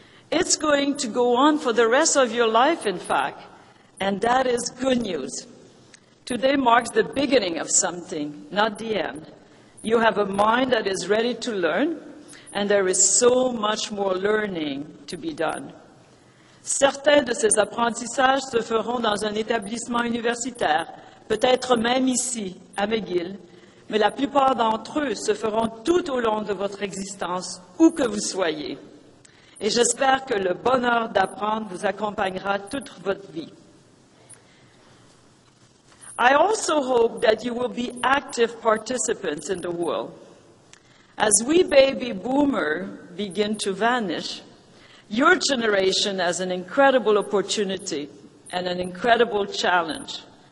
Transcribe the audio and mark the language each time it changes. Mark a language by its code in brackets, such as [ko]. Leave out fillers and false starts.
[en] It's going to go on for the rest of your life, in fact, and that is good news. Today marks the beginning of something, not the end. You have a mind that is ready to learn, and there is so much more learning to be done. [fr] Certains de ces apprentissages se feront dans un établissement universitaire, peut-être même ici, à McGill, mais la plupart d'entre eux se feront tout au long de votre existence, où que vous soyez. Et j'espère que le bonheur d'apprendre vous accompagnera toute votre vie. [en] I also hope that you will be active participants in the world. As we baby boomers begin to vanish, your generation has an incredible opportunity and an incredible challenge.